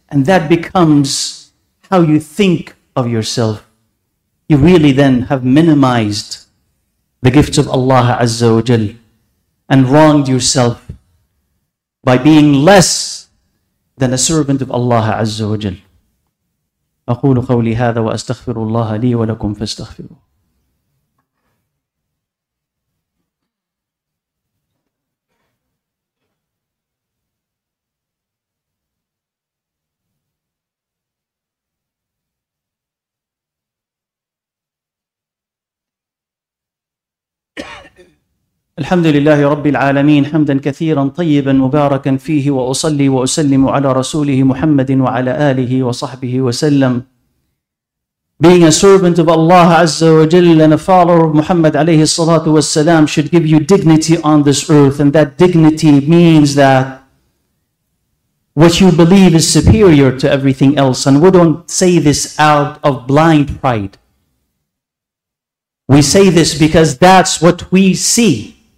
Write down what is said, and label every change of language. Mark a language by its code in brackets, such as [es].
[en] And that becomes how you think of yourself. You really then have minimized the gifts of Allah Azza wa Jal and wronged yourself by being less than a servant of Allah Azza wa Jal. [ar] أقول قولي هذا وأستغفر الله لي ولكم فاستغفروه. الحمد لله رب العالمين حمدا كثيرا طيبا مباركا فيه وأصلي وأسلم على رسوله محمد وعلى آله وصحبه وسلم. [en] Being a servant of Allah Azza wa Jal and a follower of Muhammad alayhi salatu wasalam should give you dignity on this earth, and that dignity means that what you believe is superior to everything else. And we don't say this out of blind pride. We say this because that's what we see.